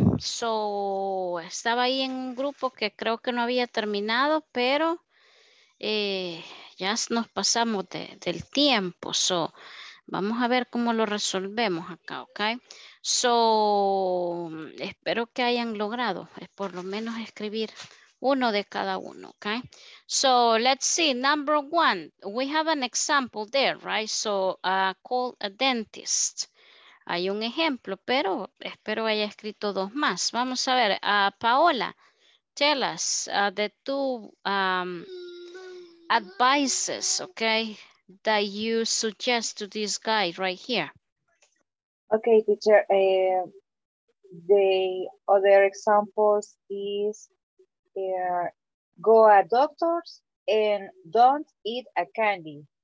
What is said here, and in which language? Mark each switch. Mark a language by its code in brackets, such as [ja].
[es] So, estaba ahí en un grupo que creo que no había terminado, pero ya nos pasamos del tiempo. So, vamos a ver cómo lo resolvemos acá, okay? So, espero que hayan logrado por lo menos escribir uno de cada uno, okay? [en] So, let's see. Number one, we have an example there, right? So, call a dentist. [es] Hay un ejemplo, pero espero haya escrito dos más. Vamos a ver, [en] Paola, tell us the two advices, okay, that you suggest to this guy right here. Okay, teacher, the other examples is go to a doctor's and don't eat a candy.